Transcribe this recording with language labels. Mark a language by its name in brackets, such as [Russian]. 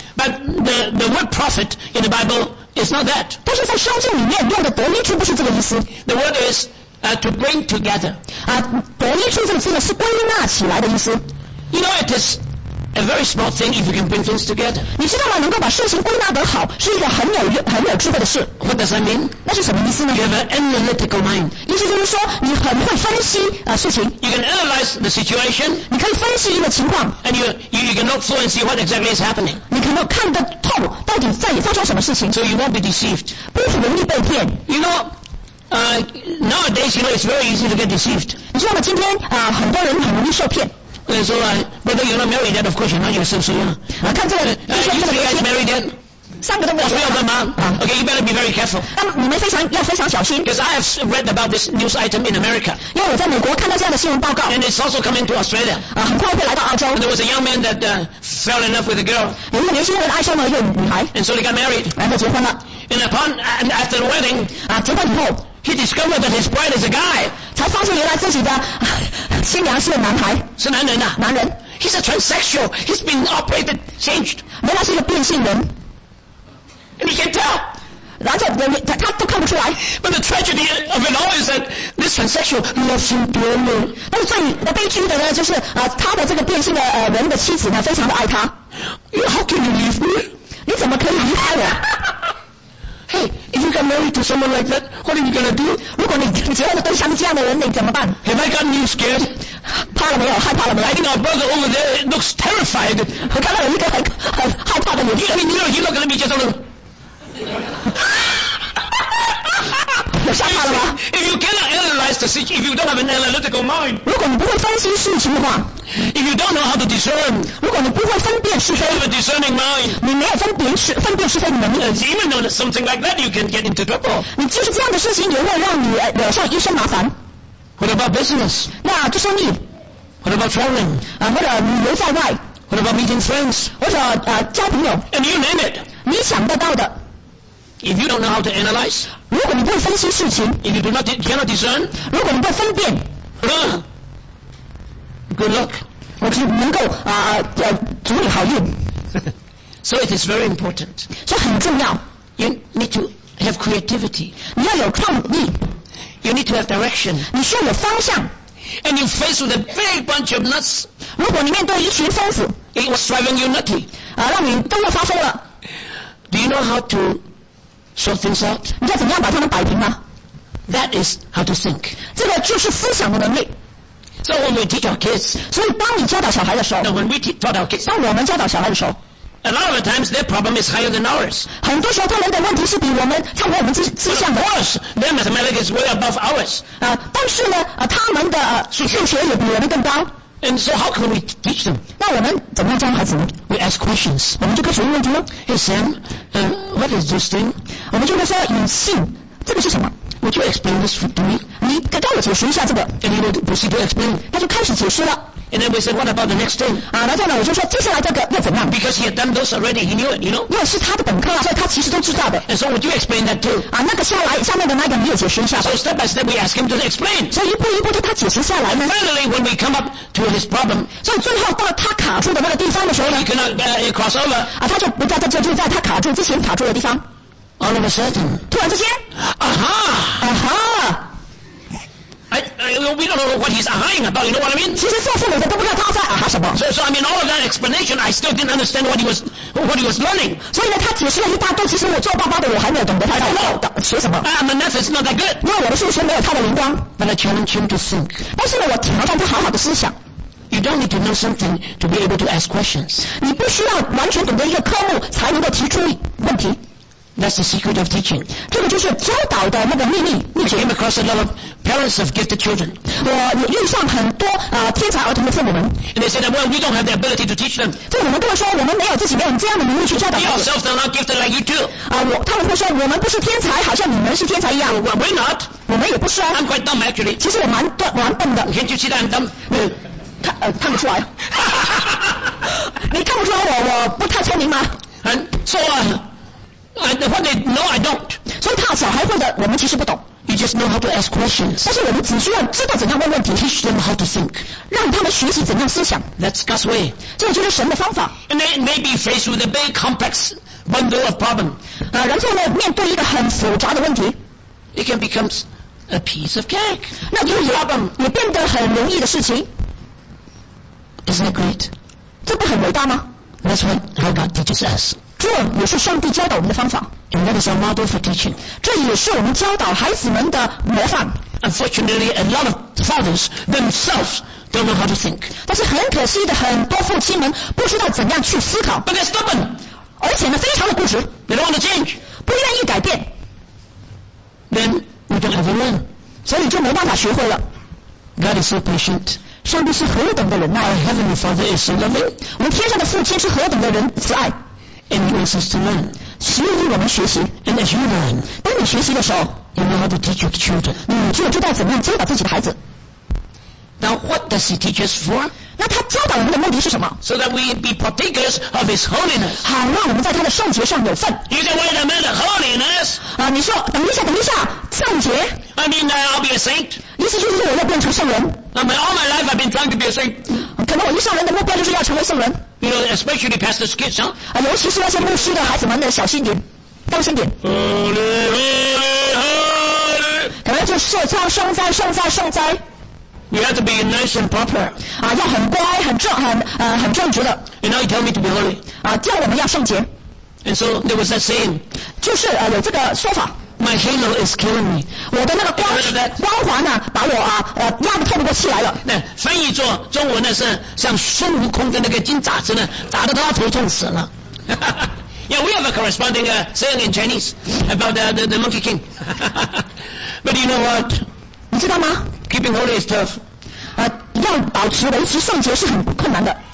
[English] But the word profit in the Bible is not that. [Chinese] 但是在圣经里面用的得益处不是这个意思。 [English] The word is. To bring together. [Chinese] 得益处这个词呢是归纳起来的意思。 [English] You know, it is a very small thing if you can bring things together. [Chinese] 你知道吗？能够把事情归纳得好，是一个很有智慧的事。 [English] What does that mean? [Chinese] 那是什么意思呢？ [English] You have an analytical mind. [Chinese] 意思就是说，你很会分析事情。 [English] You can analyze the situation. [Chinese] 你可以分析一个情况。 [English] And you can look through and see what exactly is happening. [Chinese] 你可能看得透，到底在发生什么事情。 [English] So you won't be deceived. [Chinese] 不是容易被骗。 [English] You know. Nowadays, you know, it's very easy to get deceived. [Chinese] 你知道吗？今天很多人很容易受骗。 [English] And so, whether you're not married yet, of course you're not yourself, so yeah. [Chinese] 看这个， [English] you see guys married yet? [Chinese] 三个都没有学到。我没有干嘛、 [English] okay, you better be very careful. [Chinese] 你们非常要非常小心。 [English] Because I have read about this news item in America. [Chinese] 因为我在美国看到这样的新闻报告。 [English] And it's also coming to Australia. [Chinese] 很快会来到澳洲。 [English] And there was a young man that fell in love with a girl. [Chinese] 有一个年轻人爱上了一个女孩。 [English] And so they got married. [Chinese] 然后结婚了。 [English] And upon and after the wedding. [Chinese] 结婚以后。 [English] He discovered that his bride is a guy. [Chinese] 才发现原来自己的新娘是个男孩。是男人啊。男人。 [English] He's a transsexual. He's been operated, changed. [Chinese] 原来是个变性人。 [English] And he can't tell. [Chinese] 然后他都看不出来。 [English] But the tragedy of it all is that this transsexual loves him dearly. [Chinese] 但是最悲剧的呢，就是他的这个变性的人的妻子呢，非常的爱他。 [English] How can you leave me? [Chinese] 你怎么可以离开我？ [English] Hey, if you get married to someone like that, what are you gonna do? [Chinese] 如果你结婚了对象是这样的人，你怎么办？ [English] Have I gotten you scared? [Chinese] 怕了没有？害怕了没有？ [English] I think our brother over there looks terrified. [Chinese] 我看到有一个很害怕的脸。 [English] You mean you're not gonna be just a little? [Chinese] 我吓怕了吗？ [English] If you cannot analyze the situation, if you don't have an analytical mind. [Chinese] 如果你不会分析事情的话。 [English] If you don't know how to discern, [Chinese] 如果你不会分辨是非 [English] you have a discerning mind, [Chinese] 你没有分辨是非的能力 [English] even though something like that you can get into trouble, [Chinese] 你就是这样的事情也会让你惹上一身麻烦 [English] What about business? [Chinese] 那就生意 [English] What about traveling? [Chinese] 或者旅游在外 [English] What about meeting friends? [Chinese] 或者交朋友 [English] And you name it, [Chinese] 你想得到的 [English] If you don't know how to analyze, [Chinese] 如果你不会分析事情 [English] If you do not cannot discern, [Chinese] 如果你不会分辨 [English] Good luck. [Chinese] 我就能够祝你好运。 [English] So it is very important. [Chinese] 所以很重要。 [English] You need to have creativity. [Chinese] 你要有创意。 [English] You need to have direction. [Chinese] 你需要有方向。 [English] And you face with a big bunch of nuts. [Chinese] 如果你面对一群疯子。 [English] It was driving you nutty. [Chinese] 让你都要发疯了。 [English] Do you know how to sort things out? [Chinese] 你要怎样把它们摆平吗？ [English] That is how to think. [Chinese] 这个就是思想的能力。 [English] So when we teach our kids, [Chinese] 所以当你教导小孩的时候 [English] no, when we taught our kids, [Chinese] 当我们教导小孩的时候 [English] A lot of the times their problem is higher than ours. [Chinese] 很多时候他们的问题是比我们超过我们之上的 [English] Of course, their mathematics is way above ours. [Chinese] 但是呢他们的数学也比我们更高 [English] And so how can we teach them? [Chinese] 那我们怎么样教孩子呢 [English] We ask questions. [Chinese] 我们就开始问问题吗 [English] Hey Sam, what is this thing? [Chinese] 我们就会说隐性这个是什么 [English] Would you explain this to me? [Chinese] 你跟我解释一下这个。 [English] And he would proceed to explain. [Chinese] 他就开始解释了。 [English] And then we said, what about the next thing? [Chinese] 然后呢，我就说接下来这个要怎样 [English] ？Because he had done those already, he knew it, you know. [Chinese] 因为是他的本科，所以他其实都知道的。 [English] And so would you explain that too? [Chinese] 那个下来下面的那个你也解释一下。 [English] So step by step, we ask him to explain. [Chinese] 所以一步一步就他解释下来呢。 [English] And finally, when we come up to his problem. [Chinese] 所以最后到他卡住的那个地方的时候呢 [English] ，He cannot cross over. [Chinese] 他就不在这，就在他卡住之前卡住的地方。 [English] All of a sudden. [Chinese] 突然之间。 Aha! Aha! [English] We don't know what he's ahaing about, you know what I mean? [Chinese] 其实做父母的都不知道他在aha什么。 [English] So I mean, all of that explanation, I still didn't understand what he was learning. [Chinese] 所以呢他解释了一大堆，其实我做爸爸的我还没有懂得他到底学什么。 [English] My math is not that good. [Chinese] 因为我的数学没有他的灵光。 [English] But I challenge him to think. [Chinese] 但是呢我挑战他好好的思想。 [English] You don't need to know something to be able to ask questions. [Chinese] 你不需要完全懂得一个科目才能够提出问题。 [English] That's the secret of teaching. [Chinese] 这个就是教导的那个秘密。 [English] I came across a lot of parents of gifted children. [Chinese] 我遇上很多天才儿童的父母们。 [English] And they said, well, we don't have the ability to teach them. [Chinese] 父母们都会说，我们没有自己没有这样的能力去教导。 [English] We ourselves are not gifted like you too. [Chinese] 他们会说，我们不是天才，好像你们是天才一样。 [English] We're not. [Chinese] 我们也不是啊。 [English] I'm quite dumb actually. [Chinese] 其实我蛮笨，蛮笨的。 [English] Can't you see that I'm dumb? [Chinese] 看不出来。你看不出来我不太聪明吗？很错啊。 [English] What they know, I don't. [Chinese] 所以他小孩会的，我们其实不懂。 [English] You just know how to ask questions. [Chinese] 但是我们只需要知道怎样问问题。 [English] Teach them how to think. [Chinese] 让他们学习怎样思想。 [English] That's God's way. [Chinese] 这就是神的方法。 [English] And they may be faced with a big complex bundle of problem. [Chinese] 然后呢，面对一个很复杂的问题。 [English] It can become a piece of cake. [Chinese] 那就是 problem. 也变得很容易的事情。 [English] Isn't that great? [Chinese] 这不很伟大吗？ [English] That's what how God teaches us. [Chinese] 这也是上帝教导我们的方法。 [English] And that is our model for teaching. [Chinese] 这也是我们教导孩子们的模范。 [English] Unfortunately, a lot of fathers themselves don't know how to think. [Chinese] 但是很可惜的，很多父亲们不知道怎样去思考。 [English] But they're stubborn. [Chinese] 而且呢，非常的固执。 [English] They don't want to change. [Chinese] 不愿意改变。 [English] Then we don't have to learn. [Chinese] 所以就没办法学会了。 [English] God is so patient. [Chinese] 上帝是何等的忍耐。 [English] Our heavenly Father is so loving. [Chinese] 我们天上的父亲是何等的仁慈爱。 [English] And he wants us to learn. [Chinese] 使用于我们学习。 [English] And as you learn, [Chinese] 当你学习的时候 [English] you know how to teach your children. [Chinese] 你就知道怎么样教导自己的孩子。 [English] Now what does he teach us for? [Chinese] 那他教导我们的目的是什么？ [English] So that we be partakers of his holiness. [Chinese] 好，让我们在他的圣洁上有份。 [English] You say, wait a minute, holiness. [Chinese] 啊，你说，等一下，等一下，圣洁。 [English] I mean, I'll be a saint. [Chinese] 意思就是说我要变成圣人。 [English] All my life I've been trying to be a saint. [Chinese] 可能我一上人的目标就是要成为圣人。 [English] You know, especially pastor's kids, huh? [Chinese] 啊，尤其是那些牧师的孩子们的小心点，当心点。 [English] Holy, holy, holy. [Chinese] 可能就是唱圣哉，圣哉，圣哉。 [English] You have to be nice and proper. [Chinese] 啊，要很乖，很正，很很正直的。 [English] You know, you tell me to be holy. [Chinese] 啊，叫我们要圣洁。 [English] And so there was that saying. [Chinese] 就是有这个说法。 [English] My halo is killing me. [Chinese] 我的那个光光环呢，把我压得透不过气来了。那翻译做中文呢是像孙悟空的那个金爪子呢，打得他头痛死了。 [English] Yeah, we have a corresponding saying in Chinese about the Monkey King. But you know what? [Chinese] 你知道吗？ [English] Keeping holy is tough. [Chinese] 要保持维持圣洁是很困难的。